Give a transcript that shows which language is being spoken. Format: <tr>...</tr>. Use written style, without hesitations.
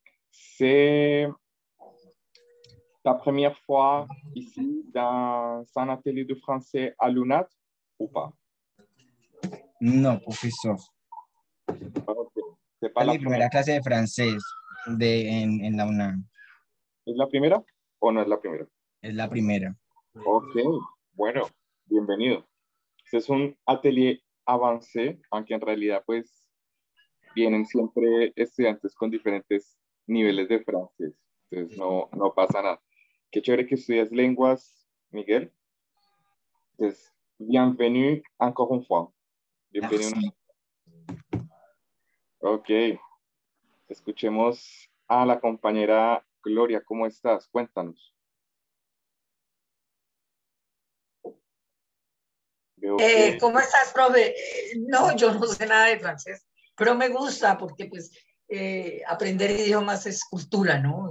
<fr>C'est ta première fois ici dans un atelier de français à l'UNAT ou pas? Non, professeur. Okay. C'est pas la première. La classe de français</fr> <es>en la</es> <fr>UNAM.</fr> <es>¿Es la primera o no es la primera? Es la primera. Ok, bueno, bienvenido. Es un</es> <fr>atelier avancé,</fr> <es>aunque en realidad pues vienen siempre estudiantes con diferentes niveles de francés. Entonces no pasa nada. Qué chévere que estudias lenguas, Miguel. Entonces,</es> <fr>bienvenue encore une fois.</fr> <es>Bienvenido.</es> <fr>Merci. Ok.</fr> <es>Escuchemos a la compañera Gloria. ¿Cómo estás? Cuéntanos. ¿Cómo estás, profe? No, yo no sé nada de francés, pero me gusta porque pues aprender idiomas es cultura, ¿no?</es>